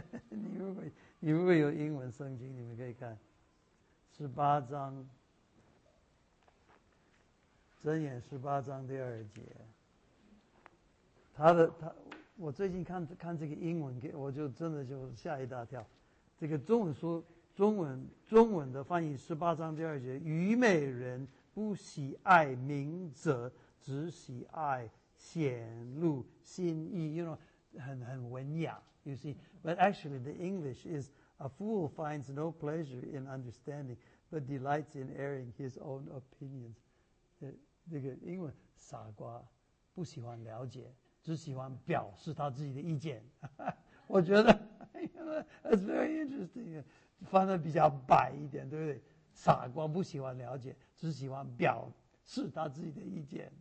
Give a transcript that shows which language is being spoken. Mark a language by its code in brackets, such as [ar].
[zh] 你如果有英文圣经，你们可以看箴言18:2，他我最近看这个英文，给我就真的就吓一大跳，这个中文书。中文的翻译18:2，愚昧人不喜爱明哲，只喜爱显露心意。 [en] You know， 很文雅。 You see， but actually the English is a fool finds no pleasure in understanding, but delights in airing his own opinions。 [zh] 这个英文傻瓜不喜欢了解，只喜欢表示他自己的意见。我觉得 [en] you know, that's very interesting。 [zh] 翻得比较白一点，对不对？傻瓜不喜欢了解，只喜欢表示他自己的意见。